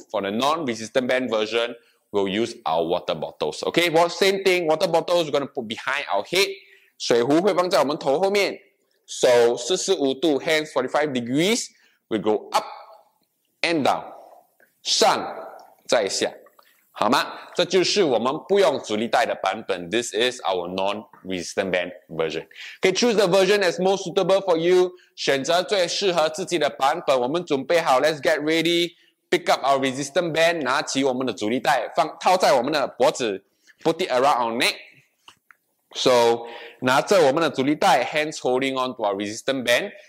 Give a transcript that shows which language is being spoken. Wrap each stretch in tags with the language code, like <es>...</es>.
<en>For the non resistance band version， we'll use our water bottles， OK， well same thing， water bottles we're gonna put behind our head，</en> <zh>水壶会放在我们头后面。手45度，</zh> <en>hands 45 degrees， we go up and down，</en> <zh>上再下。好吗？这就是我们不用阻力带的版本。</zh> <en>This is our non-resistance band version. Okay, choose the version that's most suitable for you.</en> <zh>选择最适合自己的版本。我们准备好</zh> <en>，Let's get ready. Pick up our resistance band.</en> <zh>拿起我们的阻力带，放套在我们的脖子。</zh> <en>Put it around our neck. So,</en> <zh>拿着我们的阻力带</zh> <en>，hands holding on to our resistance band.</en>